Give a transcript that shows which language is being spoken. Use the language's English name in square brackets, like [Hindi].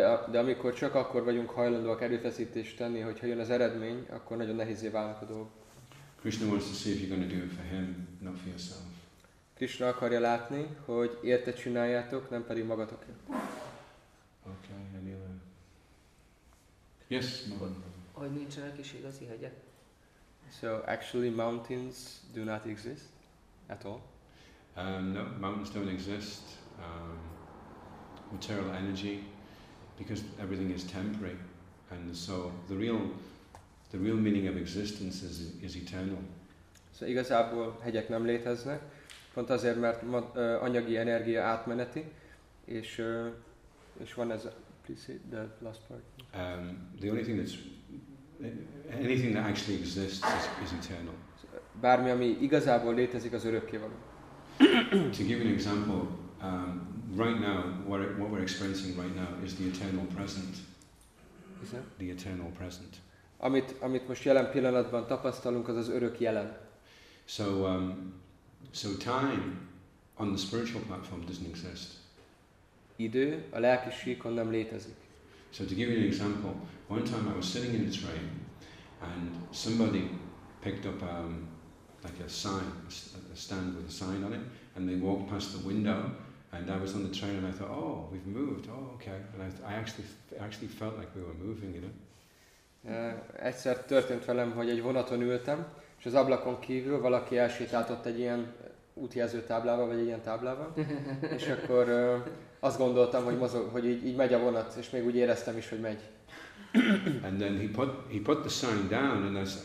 [Hungarian] De amikor csak akkor vagyunk hajlandóak erőfeszítést tenni, hogyha jön az eredmény, akkor nagyon nehézé válnak a dolgok. [English] Krishna wants to see if you're going to do it for him, not for yourself. [Hungarian] Krishna akarja látni, hogy érte csináljátok, nem pedig magatokért. [English] Okay, any other? Yes, Mahan. [Hungarian] Hogy nincsenek is igazi hegyek? [English] So actually mountains do not exist at all? No, mountains don't exist. Material energy, because everything is temporary, and so the real meaning of existence is eternal. [Hungarian] So igazából hegyek nem léteznek, pont azért, mert anyagi energia átmeneti, és van ez a, [English] please say the last part. The only thing that's anything that actually exists is eternal. So, [Hungarian] bármi, ami igazából létezik, az örökkévaló. [English] To give an example. Right now, what we're experiencing right now is the eternal present. Is it? The eternal present. [Hungarian] Amit most jelen pillanatban tapasztalunk, az örök jelen. [English] So time on the spiritual platform doesn't exist. [Hungarian] Idő a lelki síkon nem létezik. [English] So to give you an example, one time I was sitting in the train, and somebody picked up like a sign, a stand with a sign on it, and they walked past the window. And I was on the train and I thought, oh, we've moved, oh, okay. And I actually felt like we were moving, you know. [Hungarian] Egyszer történt velem, hogy egy vonaton ültem, és az ablakon kívül valaki elsétáltott egy ilyen útjelző táblával, vagy egy ilyen táblával. És akkor azt gondoltam, hogy mozog, hogy így megy a vonat, és még úgy éreztem is, hogy megy. [English] And then he put the sign down, and